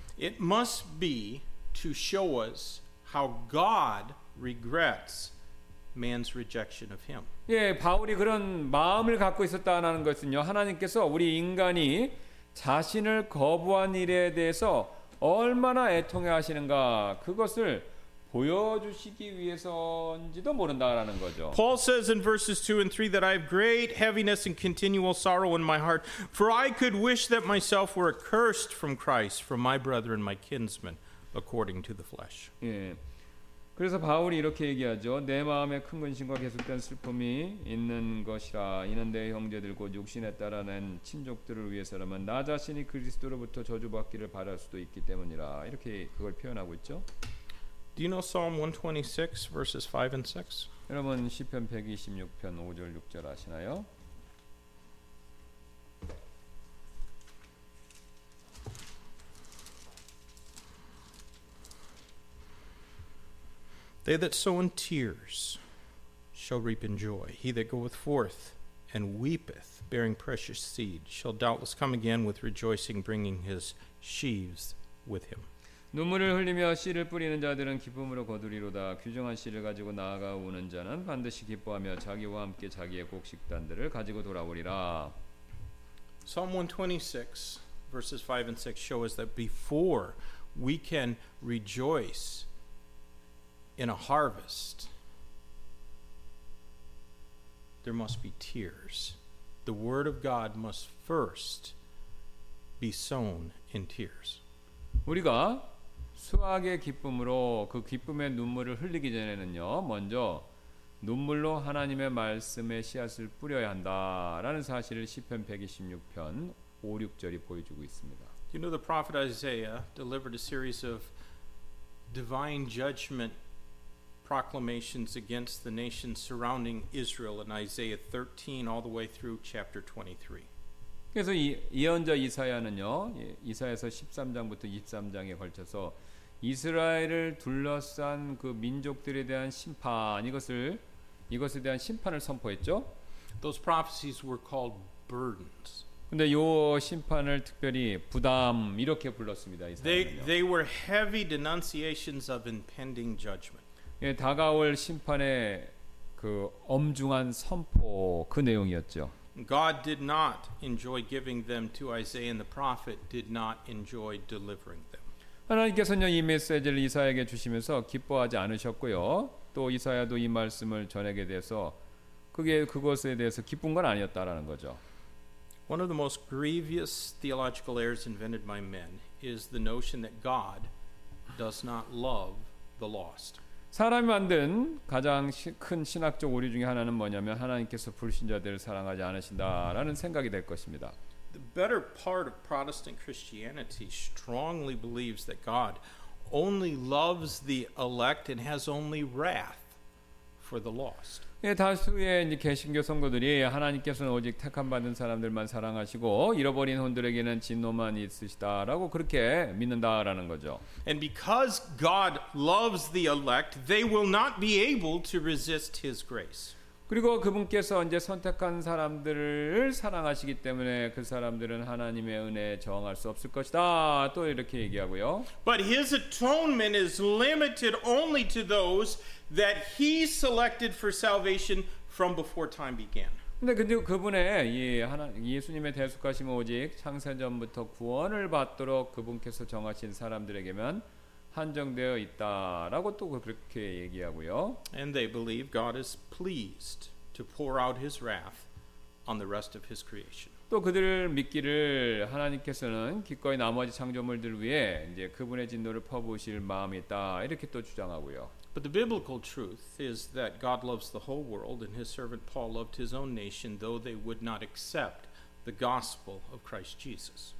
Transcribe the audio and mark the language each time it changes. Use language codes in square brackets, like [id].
[en] It must be to show us how God regrets man's rejection of him. [ko] 예, 바울이 그런 마음을 갖고 있었다는 것은요. 하나님께서 우리 인간이 자신을 거부한 일에 대해서 얼마나 애통해 하시는가 그것을 보여주시기 위해서인지도 모른다라는 거죠. [en] Paul says in verses 2 and 3 that I have great heaviness and continual sorrow in my heart, for I could wish that myself were accursed from Christ, from my brethren, my kinsmen, according to the flesh. [ko] 예, 그래서 바울이 이렇게 얘기하죠. 내 마음에 큰 근심과 계속된 슬픔이 있는 것이라. 이는 내 형제들과 육신에 따라 낸 친족들을 위해서라면 나 자신이 그리스도로부터 저주받기를 바랄 수도 있기 때문이라. 이렇게 그걸 표현하고 있죠. [en] Do you know Psalm 126 verses 5 and 6? [ko] 여러분 시편 126편 5절 6절 아시나요? [en] They that sow in tears shall reap in joy. He that goeth forth and weepeth, bearing precious seed, shall doubtless come again with rejoicing, bringing his sheaves with him. [ko] 눈물을 흘리며 씨를 뿌리는 자들은 기쁨으로 거두리로다. 규정한 씨를 가지고 나아가 오는 자는 반드시 기뻐하며 자기와 함께 자기의 곡식단들을 가지고 돌아오리라. [en] Psalm 126 verses 5 and 6 show us that before we can rejoice in a harvest, there must be tears. The word of God must first be sown in tears. [ko] 우리가 수확의 기쁨으로 그 기쁨의 눈물을 흘리기 전에는요, 먼저 눈물로 하나님의 말씀의 씨앗을 뿌려야 한다라는 사실을 시편 126편 5, 6절이 보여주고 있습니다. [en] You know the prophet Isaiah delivered a series of divine judgment proclamations against the nations surrounding Israel in Isaiah 13 all the way through chapter 23. [ko] 그래서 예언자 이사야는요, 이사야서 13장부터 23장에 걸쳐서 이스라엘을 둘러싼 그 민족들에 대한 심판, 이것에 대한 심판을 선포했죠. [en] Those prophecies were called burdens. [ko] 근데 요 심판을 특별히 부담 이렇게 불렀습니다. 이사야는요. [en] They were heavy denunciations of impending judgment. [ko] 예, 다가올 심판의 그 엄중한 선포 그 내용이었죠. [en] God did not enjoy giving them to Isaiah and the prophet did not enjoy delivering them. [ko] 하나님께서는 이 메시지를 이사야에게 주시면서 기뻐하지 않으셨고요. 또 이사야도 이 말씀을 전하게 돼서 그게 그것에 대해서 기쁜 건 아니었다라는 거죠. [en] One of the most grievous theological errors invented by men is the notion that God does not love the lost. [ko] 사람이 만든 가장 큰 신학적 오류 중에 하나는 뭐냐면 하나님께서 불신자들을 사랑하지 않으신다라는 생각이 될 것입니다. [en] The better part of Protestant Christianity strongly believes that God only loves the elect and has only wrath for the lost. [ko] 예, 다수의 이제 개신교 성도들이 하나님께서는 오직 택함 받은 사람들만 사랑하시고 잃어버린 혼들에게는 진노만 있으시다라고 그렇게 믿는다라는 거죠. [en] And because God loves the elect, they will not be able to resist his grace. [ko] 그리고 그분께서 이제 선택한 사람들을 사랑하시기 때문에 그 사람들은 하나님의 은혜에 저항할 수 없을 것이다. 또 이렇게 얘기하고요. [en] But his atonement is limited only to those that he selected for salvation from before time began. [ko] 근데 그분의 예수님의 대속하심 오직 창세 전부터 구원을 받도록 그분께서 정하신 사람들에게만 한정되어 있다라고 또 그렇게 얘기하고요. And they believe God is pleased to pour out his wrath on the rest of his creation. 또 그들을 믿기를 하나님께서는 기꺼이 나머지 창조물들 위해 이제 그분의 진노를 퍼부으실 마음이 있다. 이렇게 또 주장하고요. [en] But the biblical truth is that God loves the whole world and his servant Paul loved his own nation though they would not accept the gospel of Christ Jesus.